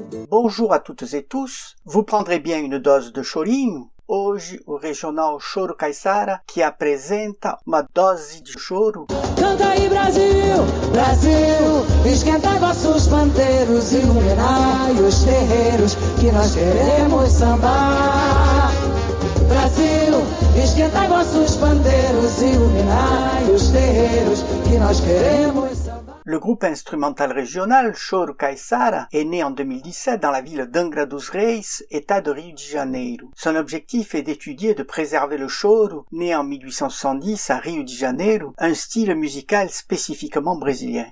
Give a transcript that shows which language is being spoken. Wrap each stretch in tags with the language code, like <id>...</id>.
<fr>Bonjour à toutes et tous, vous prendrez bien une dose de chorinho.</fr> <pt>Hoje o regional Choro Caiçara que apresenta uma dose de choro. Canta aí Brasil, Brasil, esquenta vossos panteiros, iluminai os terreiros que nós queremos sambar. Brasil, esquenta vossos panteiros, iluminai os terreiros que nós queremos.</pt> <fr>Le groupe instrumental régional Choro Caiçara est né en 2017 dans la ville d'Angra dos Reis, état de Rio de Janeiro. Son objectif est d'étudier et de préserver le choro, né en 1870 à Rio de Janeiro, un style musical spécifiquement brésilien.</fr>